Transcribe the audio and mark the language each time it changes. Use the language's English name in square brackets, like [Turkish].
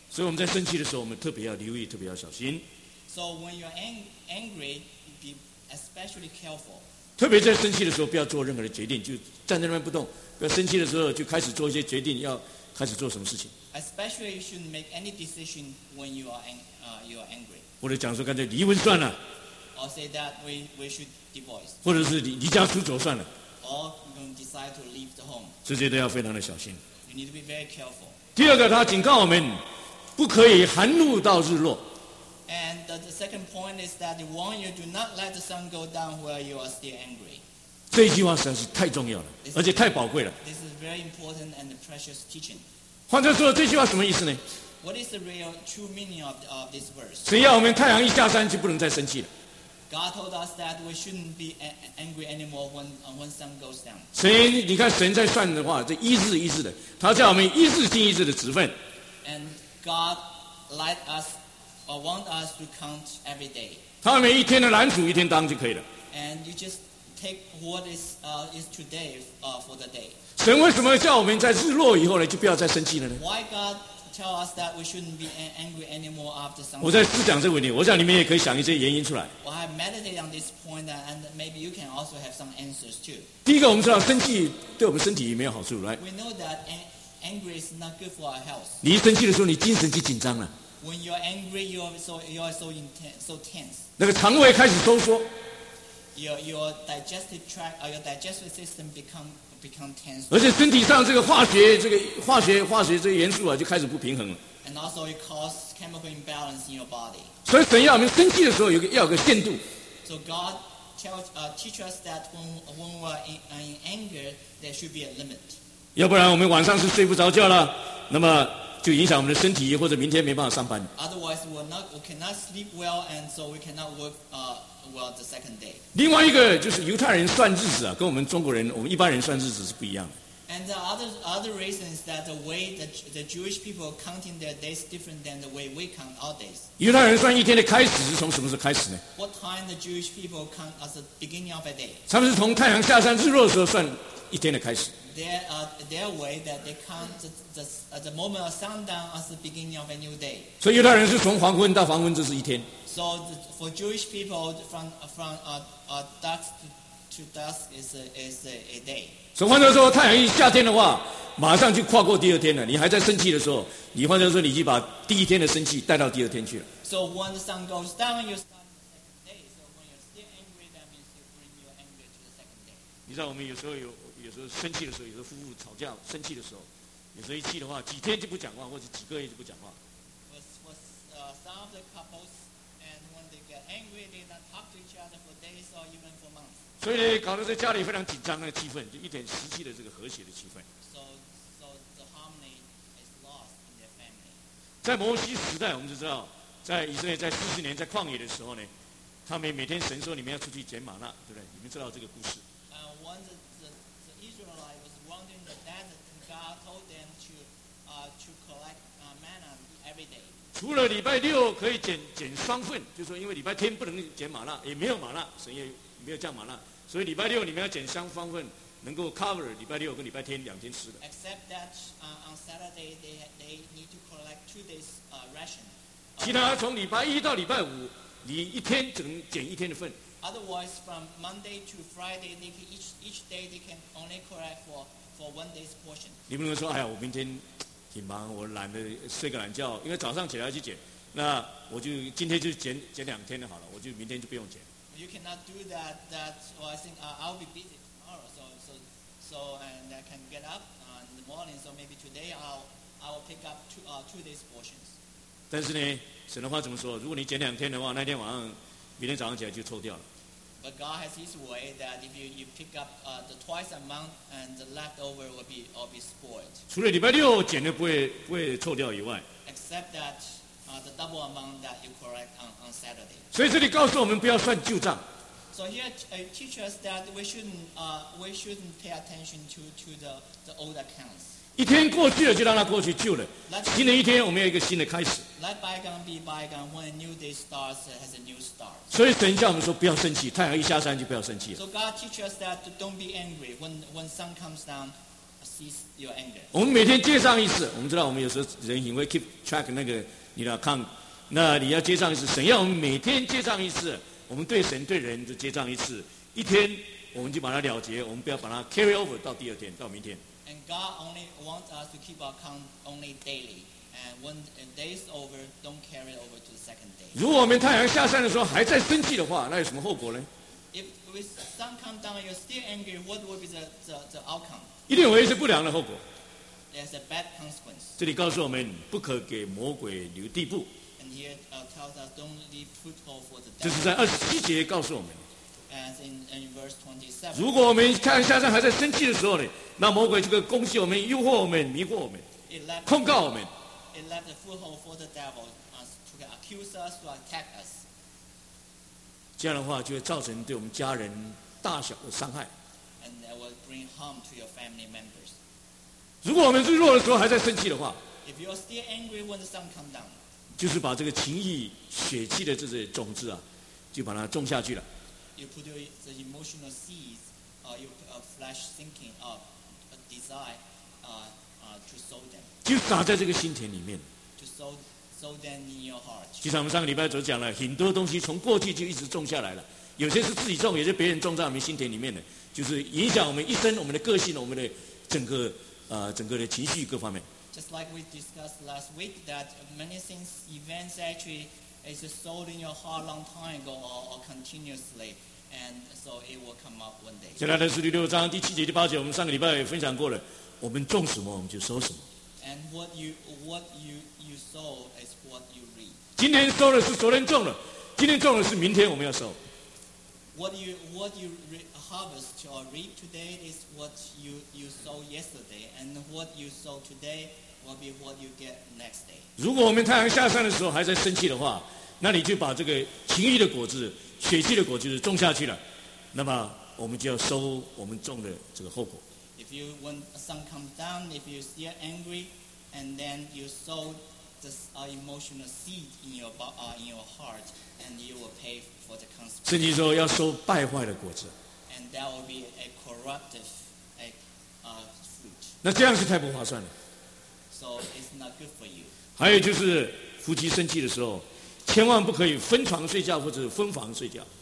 [Chinese] 所以我们在生气的时候，我们特别要留意，特别要小心。 [English] So when you're angry, be especially careful. [Chinese] 特别在生气的时候，不要做任何的决定，就站在那边不动。不要生气的时候就开始做一些决定，要开始做什么事情。 [English] Especially, you shouldn't make any decision when you are angry. [Chinese] 或者讲说干脆离婚算了。 [English] Or say that we should divorce. [Chinese] 或者是离家出走算了。 [English] Or you can decide to leave the home. [Chinese] 这些都要非常的小心。 [English] You need to be very careful. [Chinese] 第二个，他警告我们不可以含怒到日落。 [English] And the second point is that he warns you do not let the sun go down while you are still angry. [Chinese] 这句话实在是太重要了，而且太宝贵了。 [English] This is very important and precious teaching. [Chinese] 换句话说，这句话什么意思呢 [English] ？What is the real true meaning of this verse？ [Chinese] 只要我们太阳一下山，就不能再生气了。 [English] God told us that we shouldn't be angry anymore when sun goes down。 [Chinese] 神，你看神在算的话，这一日一日的，他叫我们一日进一日的职分。 [English] And God let us or want us to count every day。 [Chinese] 他每一天的拦阻一天当就可以了。 [English] And you just take what is today for the day。 [Chinese] 神为什么叫我们在日落以后呢，就不要再生气了呢 [English] ？Why God tell us that we shouldn't be angry anymore after sun？ [Chinese] 我在思想这个问题，我想你们也可以想一些原因出来。我 [English] have meditated on this point and maybe you can also have some answers too。 [Chinese] 第一个，我们知道生气对我们身体没有好处 ， [English] right？ We know that anger is not good for our health。 [Chinese] 你一生气的时候，你精神就紧张了。 [English] When you're angry, you're so tense。 [Chinese] 那个肠胃开始收缩。 [English] Your digestive system become tense. [Chinese] 而且身体上这个化学这个元素啊，就开始不平衡了。 [English] And also it causes chemical imbalance in your body. [Chinese] 所以神要我们生气的时候要有个限度。 [English] So God teach us that when we are in anger, there should be a limit. [Chinese] 要不然我们晚上是睡不着觉了，那么就影响我们的身体，或者明天没办法上班。 [English] Otherwise, we cannot sleep well, and so we cannot work. Well, the second day. [Chinese] 另外一个就是犹太人算日子啊，跟我们中国人，我们一般人算日子是不一样的。 [English] And the other reason is that the way that the Jewish people counting their days different than the way we count our days. [Chinese] 犹太人算一天的开始是从什么时候开始呢 [English] ？What time the Jewish people count as the beginning of a day? [Chinese] 他们是从太阳下山日落的时候算一天的开始。 [English] Their way that they count the moment of sundown as the beginning of a new day. [Chinese] 所以犹太人是从黄昏到黄昏这是一天。 [English] So for Jewish people, from dusk to dusk is a day. [Chinese] 所以换句话说，太阳一夏天的话，马上就跨过第二天了。你还在生气的时候，你换句话说，你已经把第一天的生气带到第二天去了。 [English] So when the sun goes down, you start the second day. So when you're still angry, that means you bring your anger to the second day. [Chinese] 你知道我们有时候生气的时候，有时候夫妇吵架生气的时候，有时候一气的话，几天就不讲话，或者几个月就不讲话。 [English] Some of the couples. And one day they get angry, they not talk to each other for days or even for months. [Chinese] 所以搞得在家里非常紧张的气氛，就一点实际的这个和谐的气氛。 [English] So the harmony is lost in their family. [Chinese] 在摩西时代，我们就知道，在以色列在四十年在旷野的时候呢，他们每天神说你们要出去捡玛纳，对不对？你们知道这个故事。 [English] Once the Israelite was wandering the desert, and God told them to collect manna every day. [Chinese] 除了礼拜六可以捡双份，就是说因为礼拜天不能捡玛纳，也没有玛纳，神也没有降玛纳，所以礼拜六你们要捡双份，能够 [English] cover [Chinese] 礼拜六跟礼拜天两天吃的。 [English] Except that on Saturday they need to collect 2 days ration. [Chinese] 其他从礼拜一到礼拜五，你一天只能捡一天的份。 [English] Otherwise, from Monday to Friday, they can each day they can only collect for 1 day's portion. [Chinese] 你们能说，哎呀，我明天挺忙，我懒得睡个懒觉，因为早上起来要去捡，那我就今天就捡两天的好了，我就明天就不用捡。 [English] You cannot do that. That well, I think I'll be busy tomorrow, so and I can get up in the morning. So maybe today I'll pick up two days portions. [Chinese] 但是呢，神的话怎么说？如果你捡两天的话，那天晚上，明天早上起来就臭掉了。 [English] But God has His way that if you pick up the twice a month and the leftover will be spoiled. [Chinese] 除了礼拜六捡的不会臭掉以外。 [English] Except that the double amount that you collect on Saturday. [Chinese] 所以这里告诉我们不要算旧账。 [English] So here it teaches us that we shouldn't pay attention to the old accounts. [Chinese] 一天过去了就让它过去旧了。新的一天我们有一个新的开始。 [English] Let bygone be bygone. When a new day starts, has a new start. [Chinese] 所以神叫我们说不要生气，太阳一下山就不要生气了。 [English] So God teaches us that don't be angry when sun comes down. Cease your anger. [Chinese] 我们每天接上一次，我们知道我们有时候人因为 [English] keep track [Chinese] 那个。你要看，那你要结账一次，神要我们每天结账一次，我们对神对人就结账一次，一天我们就把它了结，我们不要把它 [English] carry over [Chinese] 到第二天，到明天。 [English] And God only wants us to keep our count only daily, and when a day is over, don't carry it over to the second day. [Chinese] 如果我们太阳下山的时候还在生气的话，那有什么后果呢？ [English] If the sun comes down, you're still angry. What will be the outcome? [Chinese] 一定有一些不良的后果。 [English] There's a bad consequence. [Chinese] 这里告诉我们不可给魔鬼留地步。 [English] And here tells us don't leave foothold for the devil. [Chinese] 这是在二十七节告诉我们。 [English] As in verse 27. [Chinese] 如果我们太阳下山还在生气的时候呢，那魔鬼就可以攻击我们、诱惑我们、迷惑我们、控告我们。 [English] It left a foothold for the devil to accuse us, to attack us. [Chinese] 这样的话就会造成对我们家人大小的伤害。 [English] And that will bring harm to your family members. [Chinese] 如果我们最弱的时候还在生气的话， [English] If you're still angry when the sun comes down, [Chinese] 就是把这个情意血气的这些种子啊，就把它种下去了。 [English] You put the emotional seeds, your flesh thinking, a desire, to sow them. [Chinese] 就撒在这个心田里面。 [English] To sow them in your heart. [Chinese] 就像我们上个礼拜所讲了，很多东西从过去就一直种下来了，有些是自己种，有些别人种在我们心田里面的，就是影响我们一生、我们的个性、我们的整个。整个的情绪各方面。 [English] Just like we discussed last week, that many things, events actually is sold in your heart long time ago or continuously, and so it will come up one day. [Chinese] 现在的是第六章第七节第八节，我们上个礼拜也分享过了。我们种什么，我们就收什么。 [English] And what you sow is what you reap. [Chinese] 今天收的是昨天种的，今天种的是明天我们要收。 [English] What you harvest or reap today is what you sow yesterday, and what you sow today will be what you get next day. [Chinese] 如果我们太阳下山的时候还在生气的话，那你就把这个情欲的果子、血气的果子种下去了，那么我们就要收我们种的这个后果。 [English] When the sun comes down, if you're still angry, and then you sow this emotional seed in your heart, and you will pay for the consequence. [Chinese] 圣经说要收败坏的果子。 [English] And that will be a corruptive fruit. [Chinese] 那这样是太不划算了。 [English] So it's not good for you. [Chinese] 还有就是夫妻生气的时候，千万不可以分床睡觉或者分房睡觉。